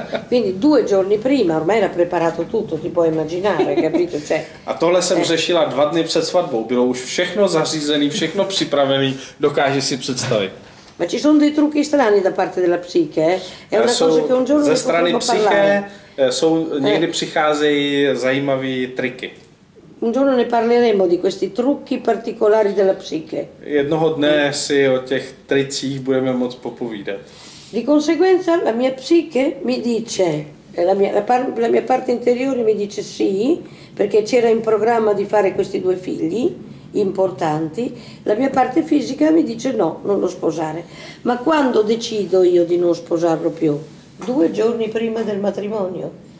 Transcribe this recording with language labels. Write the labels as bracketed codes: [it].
[it] Quindi due giorni prima ormai era preparato tutto, ti puoi immaginare, capito? Cioè, [cs] a tohle jsem řešila dva dny před svatbou, bylo už všechno zařízené, všechno připravené, dokážeš si představit. [it] Ma ci sono dei trucchi strani da parte della psiche, eh? È una cosa che un giorno [cs] ze strany psiche jsou, někdy přicházejí zajímavé triky. [it] Un giorno ne parleremo di questi trucchi particolari della psiche. [cs] Jednoho dne si o těch tricích budeme moc popovídat. [it] Di conseguenza la mia psiche mi dice, la mia parte interiore mi dice sì, perché c'era in programma di fare questi due figli importanti, la mia parte fisica mi dice no, non lo sposare. Ma quando decido io di non sposarlo più? Due giorni prima del matrimonio.